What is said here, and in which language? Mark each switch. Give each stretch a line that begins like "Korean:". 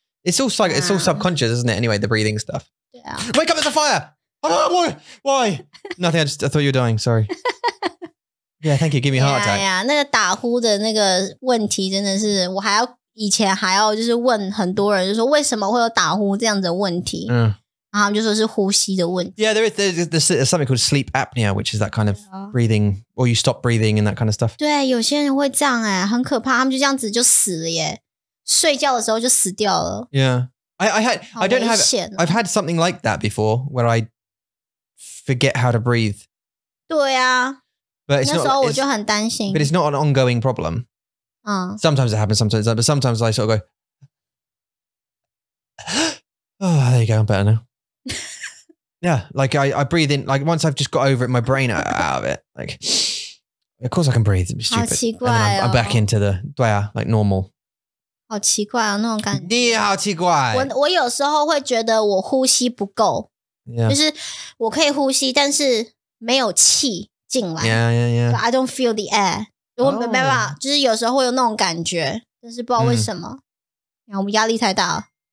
English: It's all, like, it's all subconscious, isn't it? Anyway, the breathing stuff. Yeah. Wake up, there's a fire! Oh, why? Nothing, I thought you were dying, sorry. Yeah, thank you, give me a heart attack.
Chinese: Yeah, 那个打呼的那个问题真的是我还要以前还要就是问很多人，就说为什么会有打呼这样子的问题，嗯，然后就说是呼吸的问题。
English: Yeah, there's something called sleep apnea, which is that kind of breathing, or you stop breathing and that kind of stuff.
Chinese: 对，有些人会这样哎，很可怕，他们就这样子就死了耶，睡觉的时候就死掉了。
English: I've had something like that before where I forget how to breathe.
Chinese: 对啊，
English: but it's
Chinese: 那时候我就很担心。
English: But it's not an ongoing problem. Sometimes it happens, sometimes, but sometimes I sort of go, oh, there you go, I'm better now. Yeah, like I breathe in, like once I've just got over it, my brain out of it. Like, of course I can breathe, it'd be stupid.
Chinese: 好奇怪哦。
English: And then I'm back into the,
Chinese: 对啊,
English: like normal.
Chinese: 好奇怪哦，那种感觉。你也好奇怪。我有时候会觉得我呼吸不够。
English: Yeah.
Chinese: 就是我可以呼吸，但是没有气进来。
English: Yeah, yeah, yeah. But I don't feel the air.
Chinese: 我没办法、oh. 就是有时候会有那种感觉，但是不知道为什么、mm. 然后压力太大了。